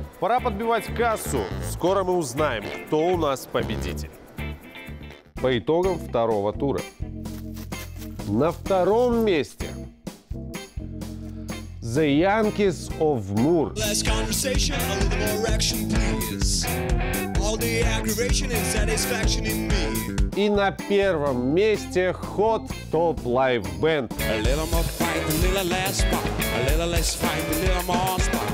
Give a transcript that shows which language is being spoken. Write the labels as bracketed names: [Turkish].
[Russian] Пора подбивать кассу, скоро мы узнаем, кто у нас победитель. По итогам второго тура. На втором месте The Yankees of Moore. [English] Less conversation, a little more action, please. All the aggravation and satisfaction in me. [Russian] И на первом месте Hot Top Live Band. [English] A little more fight, a little less spark. A little less fight, a little more spark.